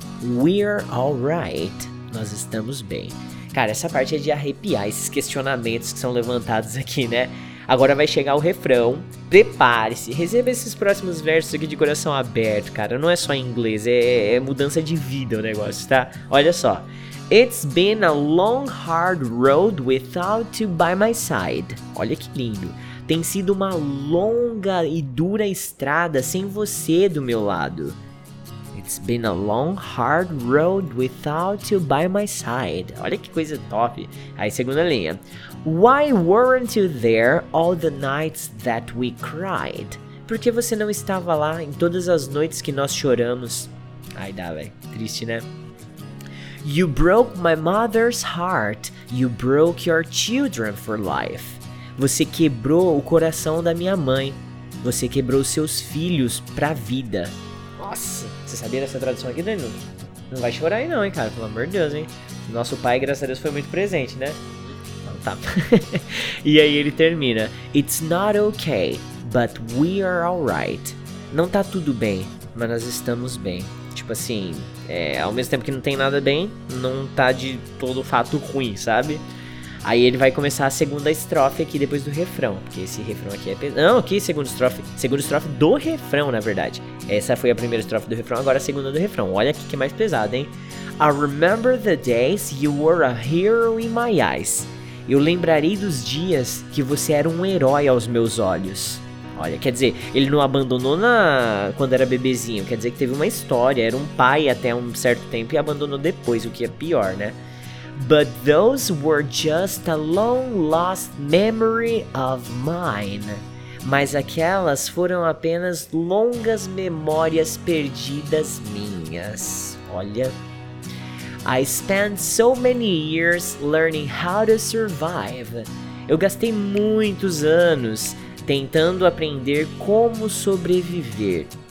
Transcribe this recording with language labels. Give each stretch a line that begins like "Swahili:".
English: We are alright.
Portuguese: Nós estamos bem. Cara, essa parte é de arrepiar, esses questionamentos que são levantados aqui, né? Agora vai chegar o refrão. Prepare-se, receba esses próximos versos aqui de coração aberto, cara. Não é só inglês, é mudança de vida o negócio, tá? Olha só.
English: It's been a long, hard road without you by my side.
Portuguese: Olha que lindo. Tem sido uma longa e dura estrada sem você do meu lado.
English: It's been a long, hard road without you by my side.
Portuguese: Olha que coisa top. Aí, segunda linha.
English: Why weren't you there all the nights that we cried?
Portuguese: Por que você não estava lá em todas as noites que nós choramos? Ai, dá, velho. Triste, né?
English: You broke my mother's heart. You broke your children for life.
Portuguese: Você quebrou o coração da minha mãe. Você quebrou seus filhos pra vida. Nossa, você sabia dessa tradução aqui, Danilo? Não vai chorar aí não, hein, cara. Pelo amor de Deus, hein. Nosso pai, graças a Deus, foi muito presente, né? Então tá. E aí ele termina.
English: It's not okay, but we are alright.
Portuguese: Não tá tudo bem, mas nós estamos bem. Tipo assim, ao mesmo tempo que não tem nada bem, não tá de todo fato ruim, sabe? Aí ele vai começar a segunda estrofe aqui depois do refrão. Porque esse refrão aqui é pesado. Não, aqui segunda estrofe. Segunda estrofe do refrão, na verdade. Essa foi a primeira estrofe do refrão, agora a segunda do refrão. Olha aqui que é mais pesado, hein?
English: I remember the days you were a hero in my eyes.
Portuguese: Eu lembrarei dos dias que você era um herói aos meus olhos. Olha, quer dizer, ele não abandonou quando era bebezinho. Quer dizer que teve uma história, era um pai até um certo tempo e abandonou depois, o que é pior, né?
English: But those were just a long lost memory of mine.
Portuguese: Mas aquelas foram apenas longas memórias perdidas minhas. Olha.
English: I spent so many years learning how to survive.
Portuguese: Eu gastei muitos anos tentando aprender como sobreviver.